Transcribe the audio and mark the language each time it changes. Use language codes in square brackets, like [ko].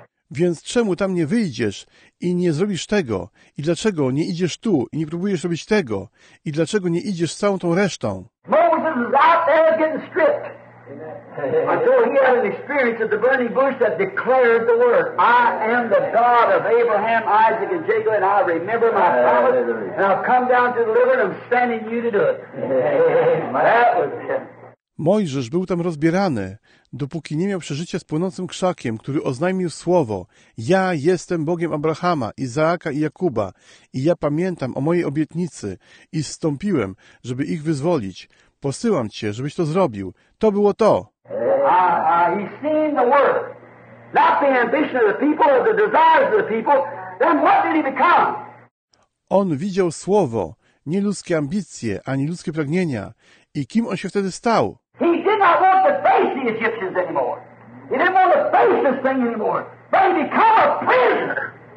[pl] Więc czemu tam nie wyjdziesz i nie zrobisz tego? I dlaczego nie idziesz tu i nie próbujesz robić tego? I dlaczego nie idziesz z całą tą resztą? [en] Moses is out there getting stripped. Until he had an experience at the burning bush that declared the word. I am the God of Abraham, Isaac, and Jacob, and I remember my promise, and I've come down to deliver, and I'm standing you to do it. That was it. [pl] Mojżesz był tam rozbierany, dopóki nie miał przeżycia z płonącym krzakiem, który oznajmił słowo: ja jestem Bogiem Abrahama, Izaaka i Jakuba i ja pamiętam o mojej obietnicy i zstąpiłem, żeby ich wyzwolić. Posyłam cię, żebyś to zrobił. To było to. [en] He seen the word. Not the ambition of the people or the desires of the people. Then what did he become? [pl] On widział słowo, nie ludzkie ambicje, ani ludzkie pragnienia. I kim on się wtedy stał? [en] He did not want to face the Egyptians anymore. He didn't want to face this thing anymore. But he became a prisoner.